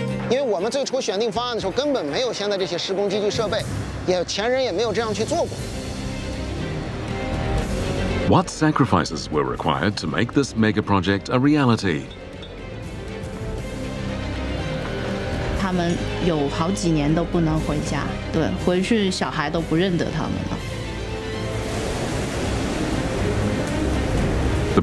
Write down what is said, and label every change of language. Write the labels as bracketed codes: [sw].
[zh] 因为我们最初选定方案的时候，根本没有现在这些施工机具设备，也前人也没有这样去做过. [en] What sacrifices were required to make this mega project a reality? [zh] 他们有好几年都不能回家，对，回去小孩都不认得他们了。 [en] The